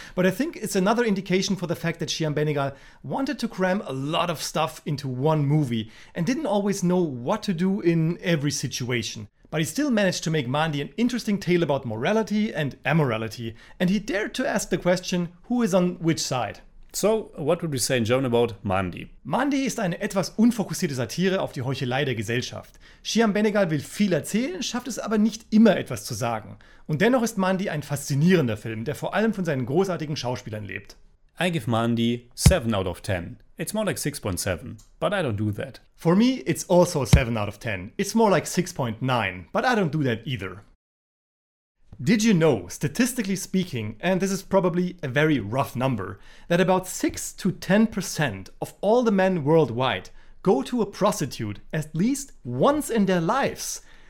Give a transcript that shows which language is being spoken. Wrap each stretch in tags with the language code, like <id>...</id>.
<en>But I think it's another indication for the fact that Shyam Benegal wanted to cram a lot of stuff into one movie and didn't always know what to do in every situation. But he still managed to make Mandi an interesting tale about morality and amorality, and he dared to ask the question, who is on which side? So, what would we say in German about Mandi?</en> <de>Mandi ist eine etwas unfokussierte Satire auf die Heuchelei der Gesellschaft. Shyam Benegal will viel erzählen, schafft es aber nicht immer etwas zu sagen. Und dennoch ist Mandi ein faszinierender Film, der vor allem von seinen großartigen Schauspielern lebt.</de> <en>I give Mandi 7 out of 10. It's more like 6.7, but I don't do that. For me, it's also 7 out of 10. It's more like 6.9, but I don't do that either. Did you know, statistically speaking, and this is probably a very rough number, that about 6 to 10% of all the men worldwide go to a prostitute at least once in their lives?</en>